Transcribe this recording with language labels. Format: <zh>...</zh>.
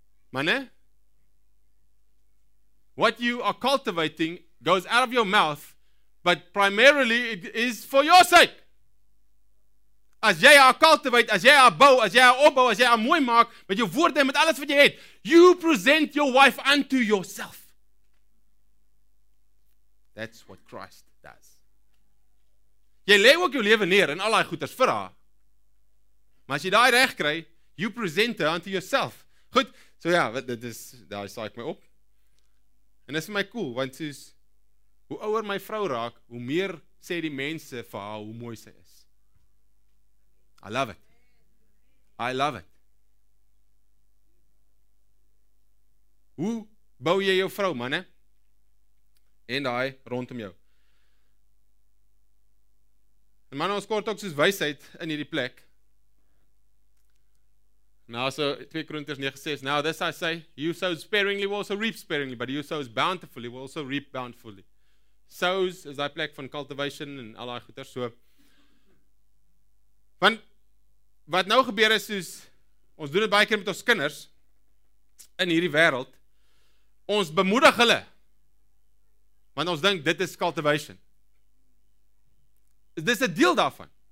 <en>Manne, what you are cultivating goes out of your mouth, but primarily it is for your sake.</en> <af>As jy haar cultivate, as jy haar bou, as jy haar opbou, as jy haar mooi maak, met jou woorde en met alles wat jy het,</af> <en>you present your wife unto yourself. That's what Christ does.</en> <af>Jy lê ook jou lewe neer in al daai goeders vir haar. Maar as jy daai reg kry,</af> <en>you present her unto yourself.</en> <af>Goed, so ja, dit is, daai saai ek my op. En dis vir my cool, want soos, hoe ouer my vrou raak, hoe meer sê die mense vir haar hoe mooi sy is.</af> <en>I love it. I love it.</en> <af>Hoe bou jy jou vrou, manne? En daai rondom jou. En man, ons kort ook soos wysheid in hierdie plek. Nou so 2 Korintiërs 9:6.</af> <en>Now this I say, you sow sparingly will also reap sparingly, but you sow bountifully will also reap bountifully.</en> <af>Sows is daai plek van cultivation en al daai goeie so. Want wat nou gebeur is soos ons doen dit baie keer met ons kinders in hierdie wêreld. Ons bemoedig hulle. Want ons dink, dit is cultivation. Dit is 'n deel daarvan.</af>